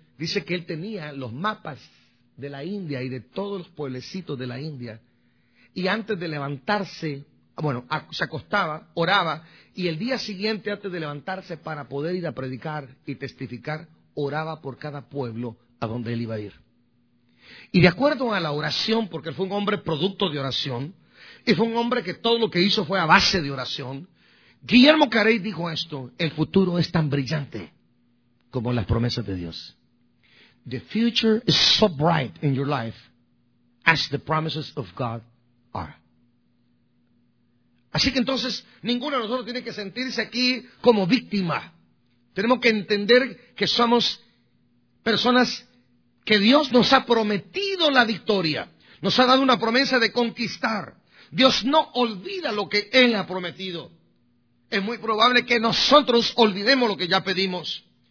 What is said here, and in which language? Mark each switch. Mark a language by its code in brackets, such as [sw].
[es] dice que él tenía los mapas de la India y de todos los pueblecitos de la India, y antes de levantarse, bueno, se acostaba, oraba, y el día siguiente, antes de levantarse para poder ir a predicar y testificar, oraba por cada pueblo a donde él iba a ir. Y de acuerdo a la oración, porque él fue un hombre producto de oración, y fue un hombre que todo lo que hizo fue a base de oración, Guillermo Carey dijo esto: el futuro es tan brillante como las promesas de Dios. [en] The future is so bright in your life as the promises of God are. [es] Así que entonces, ninguno de nosotros tiene que sentirse aquí como víctima. Tenemos que entender que somos personas que Dios nos ha prometido la victoria. Nos ha dado una promesa de conquistar. Dios no olvida lo que Él ha prometido. Es muy probable que nosotros olvidemos lo que ya pedimos.